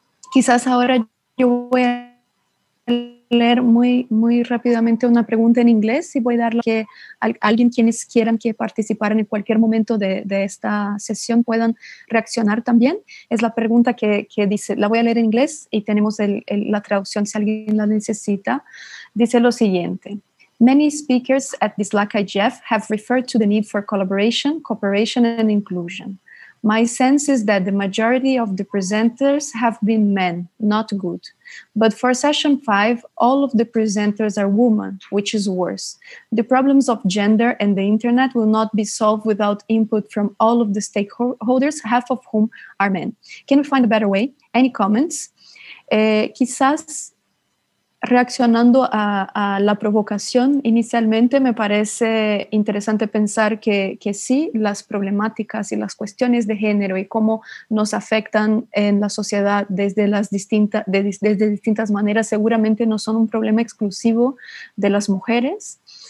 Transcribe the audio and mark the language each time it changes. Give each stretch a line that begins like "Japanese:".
Spanish: Quizás ahora yo voy a leer muy, muy rápidamente una pregunta en inglés y voy a darle que alguien, quienes quieran que participar en cualquier momento de esta sesión puedan reaccionar también. Es la pregunta que dice, la voy a leer en inglés y tenemos la traducción si alguien la necesita. Dice lo siguiente.
English: Many speakers at this LACIJF have referred to the need for collaboration, cooperation and inclusion. My sense is that the majority of the presenters have been men, not good. But for session 5, all of the presenters are women, which is worse. The problems of gender and the internet will not be solved without input from all of the stakeholders, half of whom are men. Can we find a better way? Any comments?
Spanish: Quizás reaccionando a la provocación inicialmente, me parece interesante pensar que sí, las problemáticas y las cuestiones de género y cómo nos afectan en la sociedad desde distintas maneras, seguramente no son un problema exclusivo de las mujeres.